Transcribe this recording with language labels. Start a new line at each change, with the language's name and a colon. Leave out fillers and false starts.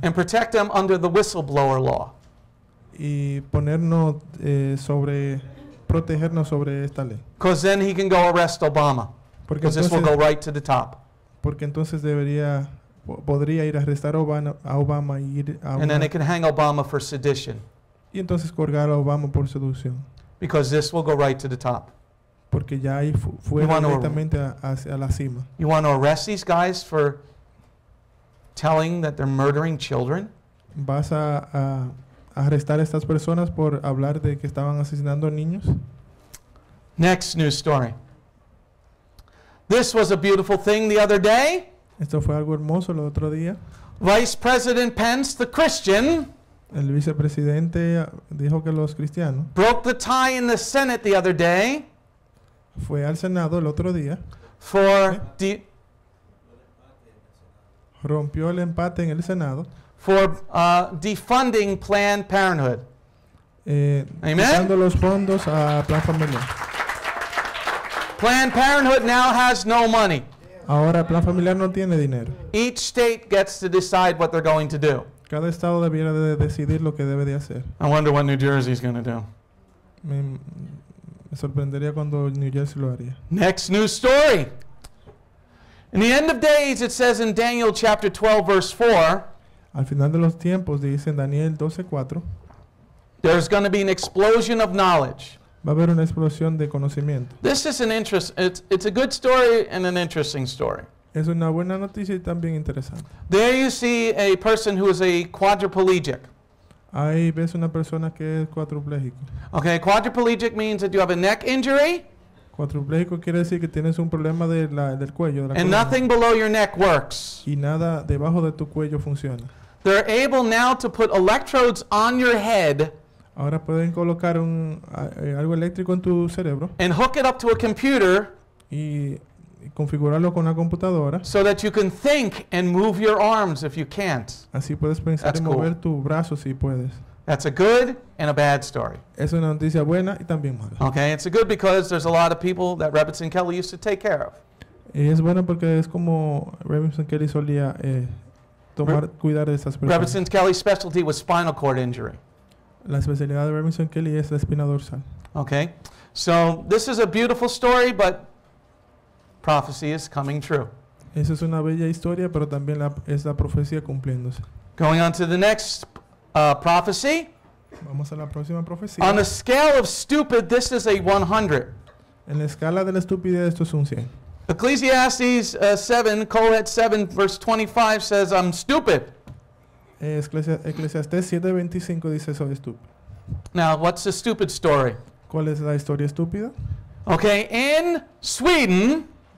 English: And protect them under the whistleblower law.
Spanish: Y ponernos sobre protegernos sobre esta ley.
English: Because then he can go arrest Obama.
Spanish: Porque
English: this will go right to the top.
Spanish: Porque entonces debería podría ir a arrestar a Obama y ir a
English: And then it can hang Obama for sedition.
Spanish: Y entonces colgar a Obama por seducción.
English: Because this will go right to the top.
Spanish: Porque ya ahí fue directamente hacia la cima.
English: You want to arrest these guys for telling that they're murdering children?
Spanish: ¿Vas a arrestar a estas personas por hablar de que estaban asesinando niños?
English: Next news story. This was a beautiful thing the other day.
Spanish: Esto fue algo hermoso el otro día.
English: Vice President Pence, the Christian,
Spanish: el vicepresidente dijo que los cristianos
English: broke the tie in the Senate the other day.
Spanish: Fue al Senado el otro día.
English: For
Spanish: rompió el empate en el Senado.
English: For defunding Planned Parenthood. Amen.
Spanish: Dando los fondos a Plan Familiar.
English: Planned Parenthood now has no money.
Spanish: Ahora Plan Familiar no tiene dinero.
English: Each state gets to decide what they're going to do.
Spanish: Cada estado debiera de decidir lo que debe de hacer.
English: I wonder what New Jersey is going to do.
Spanish: Me sorprendería cuando New Jersey lo haría.
English: Next news story. In the end of days, it says in Daniel chapter 12, verse 4.
Spanish: Al final de los tiempos, dice en Daniel 12, 4.
English: There's going to be an explosion of knowledge.
Spanish: Va a haber una explosión de conocimiento.
English: This is an interest. It's a good story and an interesting story.
Spanish: Es una buena noticia y también interesante.
English: There you see a person who is a quadriplegic.
Spanish: Ahí ves una persona que es cuadriplégico.
English: Okay, quadriplegic means that you have a neck injury.
Spanish: Cuadriplégico quiere decir que tienes un problema de del cuello. De la
English: and
Spanish: columna.
English: Nothing below your neck works.
Spanish: Y nada debajo de tu cuello funciona.
English: They're able now to put electrodes on your head.
Spanish: Ahora pueden colocar algo eléctrico en tu cerebro.
English: And hook it up to a computer.
Spanish: Y configurarlo con una computadora.
English: So that you can think and move your arms if you can't.
Spanish: Así puedes pensar
English: That's
Spanish: y mover
English: cool.
Spanish: tu brazo si puedes.
English: That's a good and a bad story.
Spanish: Es una noticia buena y también mala.
English: Okay, it's a good because there's a lot of people that Remington Kelly used to take care of.
Spanish: Y es bueno porque es como Remington Kelly solía cuidar de esas personas.
English: Remington Kelly's specialty was spinal cord injury.
Spanish: La especialidad de Remington Kelly es la espina dorsal.
English: Okay, so this is a beautiful story, but prophecy is coming true.
Spanish: Esa es una bella historia, pero también es la profecía cumpliéndose.
English: Going on to the next prophecy.
Spanish: Vamos a la próxima profecía.
English: On a scale of stupid, this is a 100.
Spanish: En la escala de la estupidez, esto es un 100.
English: Ecclesiastes 7, Kohet 7, verse 25 says, I'm stupid.
Spanish: Ecclesiastes 7:25 dice, soy estúpido.
English: Now, what's the stupid story?
Spanish: ¿Cuál es la historia estúpida?
English: Okay, in Sweden,